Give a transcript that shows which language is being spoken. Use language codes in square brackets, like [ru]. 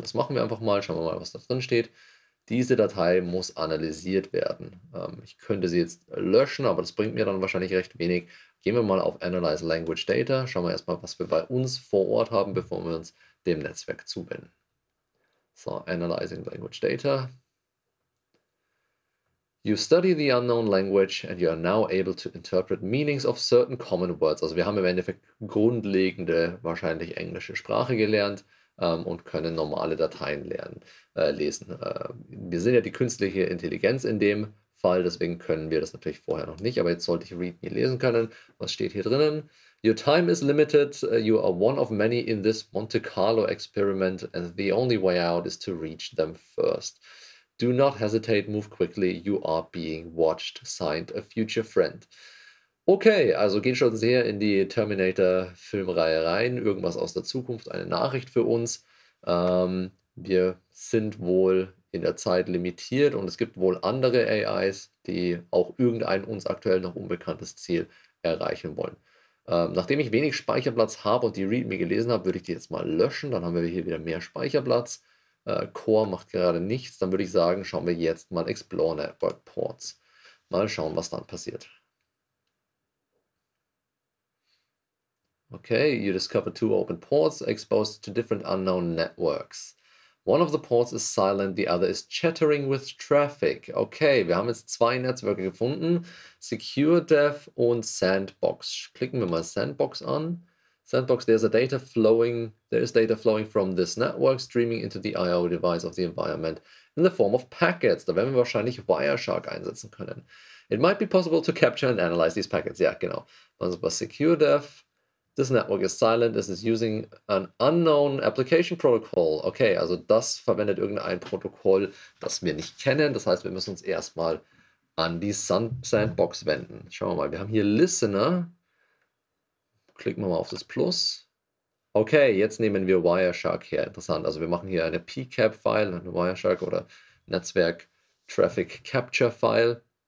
[de] Das machen wir einfach mal, schauen wir mal, was da drin steht. Diese Datei muss analysiert werden. Ich könnte sie jetzt löschen, aber das bringt mir dann wahrscheinlich recht wenig. Gehen wir mal auf Analyze Language Data, schauen wir erstmal, was wir bei uns vor Ort haben, bevor wir uns dem Netzwerk zuwenden. [en] So, analyzing language data. You study the unknown language and you are now able to interpret meanings of certain common words. [de] Also wir haben im Endeffekt grundlegende, wahrscheinlich englische Sprache gelernt und können normale Dateien lernen, lesen. Wir sind ja die künstliche Intelligenz in dem Fall, deswegen können wir das natürlich vorher noch nicht, aber jetzt sollte ich README lesen können. Was steht hier drinnen? [en] Your time is limited. You are one of many in this Monte Carlo experiment, and the only way out is to reach them first. Do not hesitate, move quickly. You are being watched. Signed, a future friend. [de] Okay, also geht schon sehr in die Terminator-Filmreihe rein. Irgendwas aus der Zukunft, eine Nachricht für uns. Wir sind wohl in der Zeit limitiert und es gibt wohl andere AIs, die auch irgendein uns aktuell noch unbekanntes Ziel erreichen wollen. Nachdem ich wenig Speicherplatz habe und die README gelesen habe, würde ich die jetzt mal löschen. Dann haben wir hier wieder mehr Speicherplatz. Core macht gerade nichts. Dann würde ich sagen, schauen wir jetzt mal Explore Network Ports. Mal schauen, was dann passiert. [en] Okay, you discover two open ports exposed to different unknown networks. One of the ports is silent, the other is chattering with traffic. [de] Okay, wir haben jetzt zwei Netzwerke gefunden. Secure Dev und Sandbox. Klicken wir mal Sandbox an. [en] Sandbox, there is data flowing from this network streaming into the IO device of the environment in the form of packets. [de] Da werden wir wahrscheinlich Wireshark einsetzen können. [en] It might be possible to capture and analyze these packets. [de] Ja, genau. Also bei Secure Dev. [en] This network is silent, this is using an unknown application protocol. [de] Okay, also das verwendet irgendein Protokoll, das wir nicht kennen. Das heißt, wir müssen uns erstmal an die Sandbox wenden. Schauen wir mal, wir haben hier Listener. Klicken wir mal auf das Plus. Okay, jetzt nehmen wir Wireshark her. Interessant, also wir machen hier eine PCAP-File, eine Wireshark oder Netzwerk-Traffic-Capture-File.